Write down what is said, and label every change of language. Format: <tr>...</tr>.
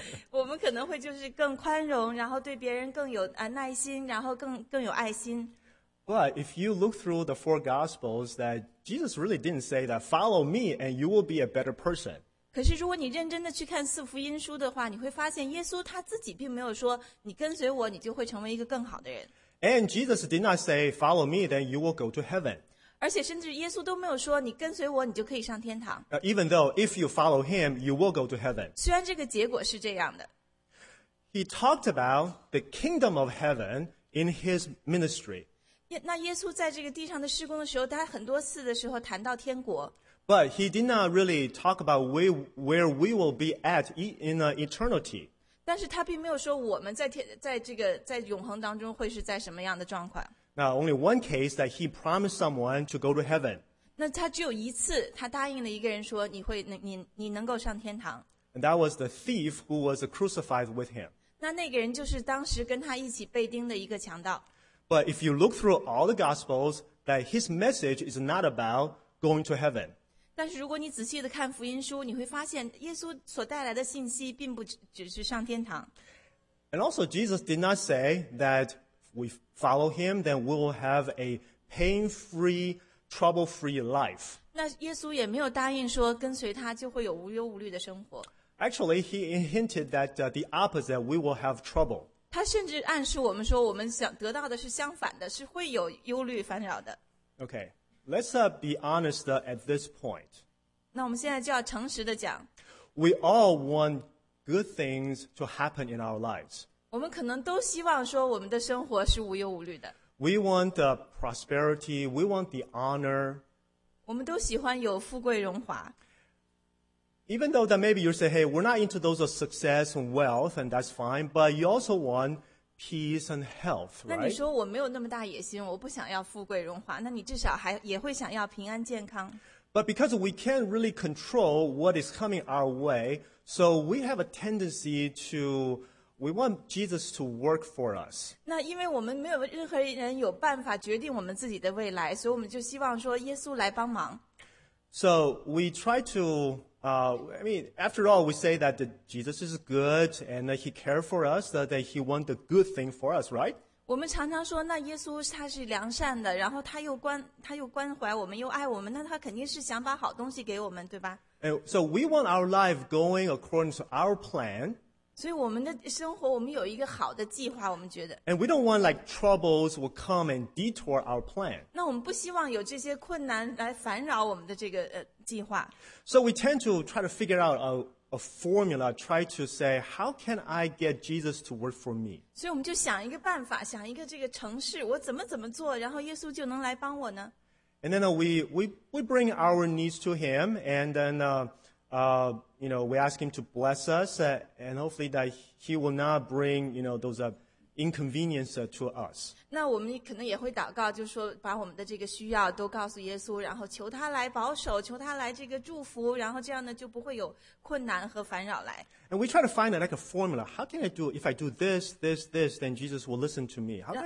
<zh>我们可能会就是更宽容，然后对别人更有耐心，然后更有爱心。</zh> <en>But if you look through the four Gospels, that Jesus really didn't say that follow me and you will be a better person.</en> <zh>可是如果你认真的去看四福音书的话，你会发现耶稣他自己并没有说你跟随我，你就会成为一个更好的人。</zh> <en>And Jesus did not say follow me, then you will go to heaven.</en> <zh>而且甚至耶稣都没有说你跟随我你就可以上天堂。</zh> <en>Even though if you follow him, you will go to heaven.</en> <zh>虽然这个结果是这样的。</zh> <en>He talked about the kingdom of heaven in his ministry.</en> <zh>那耶稣在这个地上的事工的时候他很多次的时候谈到天国。</zh> <en>But he did not really talk about where we will be at in eternity.</en> <zh>但是他并没有说我们在永恒当中会是在什么样的状况。</zh> <en>Now, only one case that he promised someone to go to heaven.</en> <zh>那他只有一次他答应了一个人说你能够上天堂。</zh> <en>And that was the thief who was crucified with him.</en> <zh>那个人就是当时跟他一起被钉的一个强盗。</zh> <en>But if you look through all the Gospels, that his message is not about going to heaven.</en> <zh>但是如果你仔细地看福音书，你会发现耶稣所带来的信息并不只是上天堂。</zh> <en>And also, Jesus did not say that we follow him, then we will have a pain-free, trouble-free life.</en> <zh>那耶稣也没有答应说跟随他就会有无忧无虑的生活。</zh> <en>Actually, he hinted that the opposite, we will have trouble.</en> <zh>他甚至暗示我们说我们想得到的是相反的，是会有忧虑烦扰的。</zh> <en>Okay, let's be honest at this point.</en> <zh>那我们现在就要诚实的讲。</zh> <en>We all want good things to happen in our lives.</en> <zh>我们可能都希望说我们的生活是无忧无虑的。</zh> <en>We want the prosperity, we want the honor.</en> <zh>我们都喜欢有富贵荣华。</zh> <en>Even though that maybe you say, hey, we're not into those of success and wealth, and that's fine, but you also want peace and health, right?</en> <zh>那你说我没有那么大野心，我不想要富贵荣华，那你至少还也会想要平安健康。</zh> <en>But because we can't really control what is coming our way, so we have a tendency to, we want Jesus to work for us.</en> <zh>那因为我们没有任何人有办法决定我们自己的未来，所以我们就希望说耶稣来帮忙。</zh> <en>So we try to, I mean, after all, we say that Jesus is good and that he cares for us, that he wants the good thing for us, right?</en> <zh>我们常常说那耶稣他是良善的，然后他又关怀我们，又爱我们，那他肯定是想把好东西给我们，对吧？</zh> <en>And so we want our life going according to our plan.</en> <zh>所以我们的生活我们有一个好的计划，我们觉得。</zh> <en>And we don't want like troubles will come and detour our plan.</en> <zh>那我们不希望有这些困难来烦扰我们的这个计划。</zh> <en>So we tend to try to figure out a formula, try to say, how can I get Jesus to work for me?</en> <zh>所以我们就想一个办法，想一个这个程式，我怎么做，然后耶稣就能来帮我呢？</zh> <en>And then we bring our needs to him, and then you know, we ask him to bless us, and hopefully that he will not bring, you know, those inconvenience to us.</en> <zh>那我们可能也会祷告，就是说把我们的这个需要都告诉耶稣，然后求他来保守，求他来这个祝福，然后这样呢就不会有困难和烦扰来。</zh> <en>And we try to find like a formula. How can I do if I do this, this, this, then Jesus will listen to me?</en>